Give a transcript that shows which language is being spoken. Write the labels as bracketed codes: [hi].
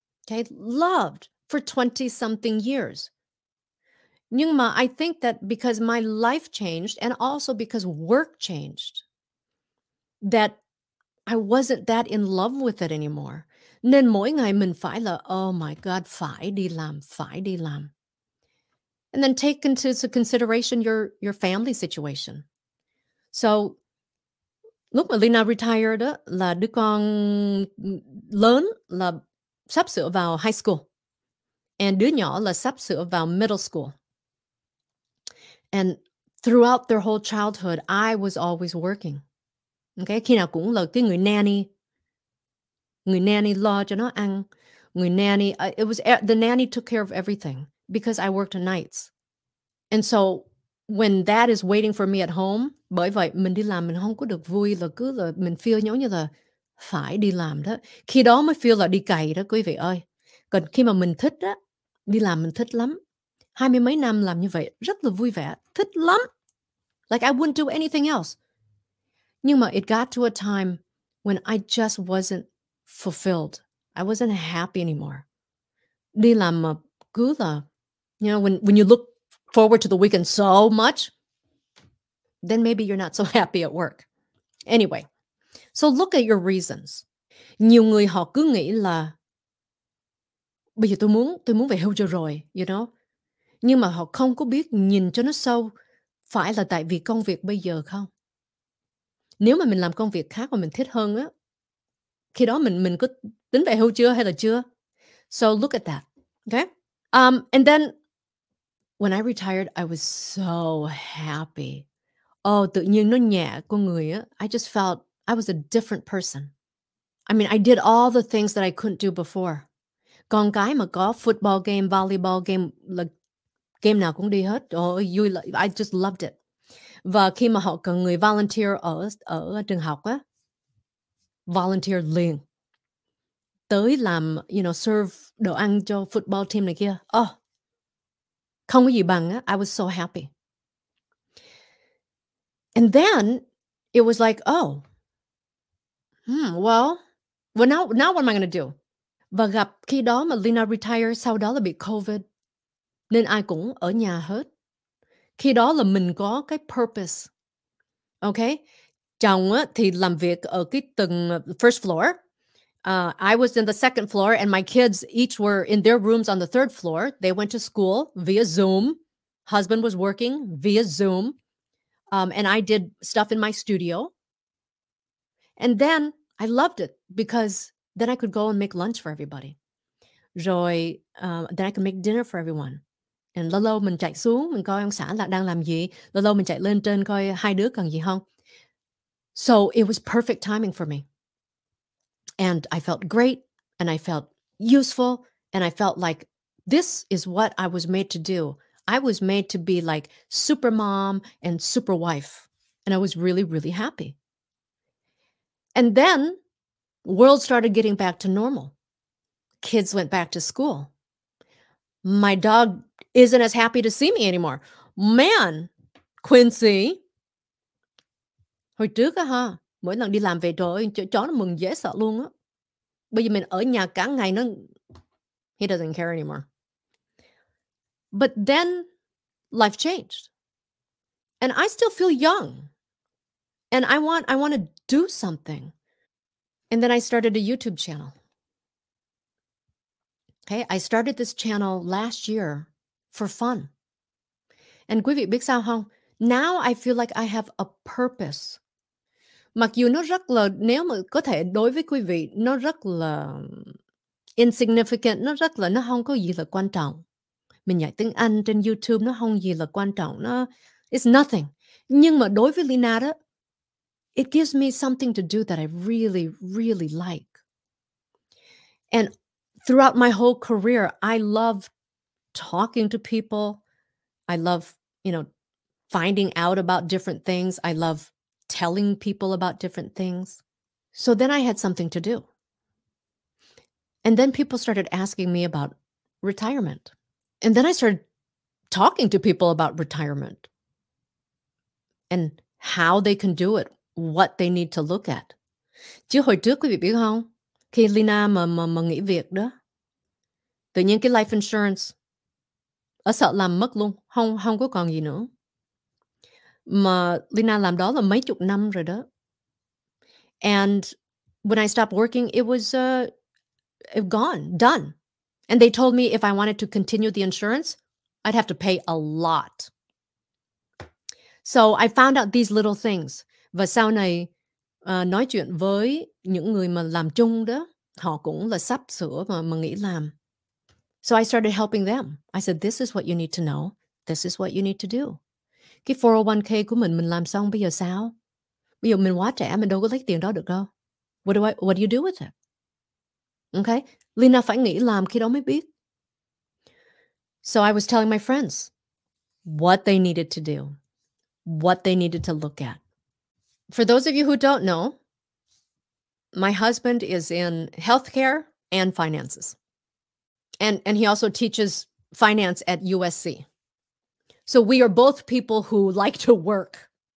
[en] Okay, loved for 20-something years. [vi] Nhưng mà [en] I think that because my life changed and also because work changed, that I wasn't that in love with it anymore. [vi] Nên mỗi ngày mình phải là, [en] oh my God, [vi] phải đi làm. [en] And then take into consideration your family situation. [vi] So, lúc mà Lina retired, là đứa con lớn là sắp sửa vào high school. And đứa nhỏ là sắp sửa vào middle school. [en] And throughout their whole childhood, I was always working. [vi] Okay, khi nào cũng là cái người nanny lo cho nó ăn, người nanny, [en] it was, the nanny took care of everything because I worked nights. And so when that is waiting for me at home, [vi] bởi vậy mình đi làm mình không có được vui là cứ là mình feel giống như là phải đi làm đó. Khi đó mới feel là đi cày đó quý vị ơi. Còn khi mà mình thích đó, đi làm mình thích lắm. Hai mươi mấy năm làm như vậy, rất là vui vẻ, thích lắm. [en] Like I wouldn't do anything else. [vi] Nhưng mà [en] it got to a time when I just wasn't fulfilled. I wasn't happy anymore. [vi] Đi làm mà cứ là, [en] you know, when you look forward to the weekend so much, then maybe you're not so happy at work. Anyway, so look at your reasons. [vi] Nhiều người họ cứ nghĩ là, bây giờ tôi muốn về hưu cho rồi, [en] you know. [vi] Nhưng mà họ không có biết nhìn cho nó sâu, phải là tại vì công việc bây giờ không? Nếu mà mình làm công việc khác mà mình thích hơn á, khi đó mình có tính về hưu chưa hay là chưa? [en] So look at that, okay? And then, when I retired, I was so happy. [vi] Oh, tự nhiên nó nhẹ của người á. [en] I just felt I was a different person. I mean, I did all the things that I couldn't do before. [vi] Con cái mà có football game, volleyball game, like, game nào cũng đi hết. [en] I just loved it. [vi] Và khi mà họ cần người volunteer ở trường học á, volunteer liền. Tới làm, [en] you know, [vi] serve đồ ăn cho football team này kia. Oh, không có gì bằng á. [en] I was so happy. And then it was like, now what am I going to do? [vi] Và gặp khi đó mà Lina retired, sau đó là bị COVID. Nên ai cũng ở nhà hết. Khi đó là mình có cái purpose. Okay? Chồng á, thì làm việc ở cái tầng first floor. [en] I was in the second floor and my kids each were in their rooms on the third floor. They went to school via Zoom. Husband was working via Zoom. And I did stuff in my studio. And then I loved it because then I could go and make lunch for everybody. Rồi, then I could make dinner for everyone. [vi] And lâu lâu mình chạy xuống, mình coi ông xã đang làm gì. Lâu lâu mình chạy lên trên coi hai đứa cần gì không. [en] So it was perfect timing for me. And I felt great and I felt useful and I felt like this is what I was made to do. I was made to be like super mom and super wife. And I was really, really happy. And then world started getting back to normal. Kids went back to school. My dog isn't as happy to see me anymore. Man, Quincy. [vi] Hồi trước á ha, mỗi lần đi làm về rồi, chó nó mừng dễ sợ luôn á. Bây giờ mình ở nhà cả ngày nó... [en] He doesn't care anymore. But then life changed. And I still feel young. And I want to do something. And then I started a YouTube channel. Okay, I started this channel last year for fun. And [vi] quý vị biết sao không? [en] Now I feel like I have a purpose. [vi] Mặc dù nó rất là, nếu mà có thể đối với quý vị, nó rất là insignificant, nó rất là, nó không có gì là quan trọng. Mình dạy tiếng Anh trên YouTube, nó không gì là quan trọng, nó, [en] it's nothing. [vi] Nhưng mà đối với Lina đó, [en] it gives me something to do that I really, really like. And throughout my whole career, I love talking to people. I love, you know, finding out about different things. I love telling people about different things. So then I had something to do. And then people started asking me about retirement. And then I started talking to people about retirement and how they can do it, what they need to look at. [vi] Chứ hồi trước quý vị biết không? Khi Lina mà nghỉ việc đó, tự nhiên cái life insurance, ở sợ làm mất luôn, không có còn gì nữa. Mà Lina làm đó là mấy chục năm rồi đó. [en] And when I stopped working, it was gone, done. And they told me if I wanted to continue the insurance, I'd have to pay a lot. So I found out these little things. [vi] Và sau này, nói chuyện với những người mà làm chung đó, họ cũng là sắp sửa mà nghỉ làm. [en] So I started helping them. I said, this is what you need to know. This is what you need to do. [vi] Cái 401k của mình làm xong bây giờ sao? Bây giờ mình quá trẻ, mình đâu có lấy tiền đó được đâu. [en] What do you do with it? Okay? [vi] Lina phải nghỉ làm khi đó mới biết. [en] So I was telling my friends what they needed to do, what they needed to look at. For those of you who don't know, my husband is in healthcare and finances. And he also teaches finance at USC. So we are both people who like to work.